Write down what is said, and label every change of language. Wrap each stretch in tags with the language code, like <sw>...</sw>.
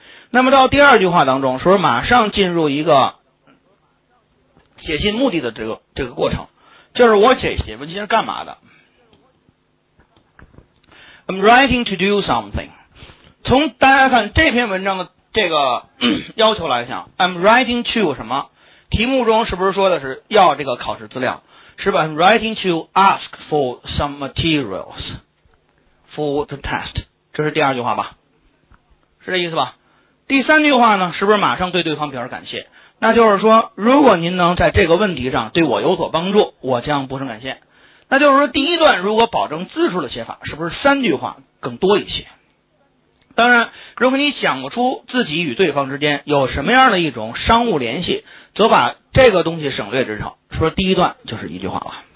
<zh>那么到第二句话当中，是不是马上进入一个写信目的的这个过程，就是我写文件是干嘛的。</zh> <en>I'm writing to do something，</en> <zh>从大家看这篇文章的这个要求来讲，</zh> <en>I'm writing to</en> <zh>什么？题目中是不是说的是要这个考试资料？是吧？</zh> <en>I'm writing to ask for some materials for the test，</en> <zh>这是第二句话吧？是这意思吧？第三句话呢，是不是马上对对方表示感谢？那就是说，如果您能在这个问题上对我有所帮助，我将不胜感谢。那就是说，第一段如果保证字数的写法，是不是三句话更多一些？当然，如果你想不出自己与对方之间有什么样的一种商务联系，则把这个东西省略之后，说第一段就是一句话了。</zh>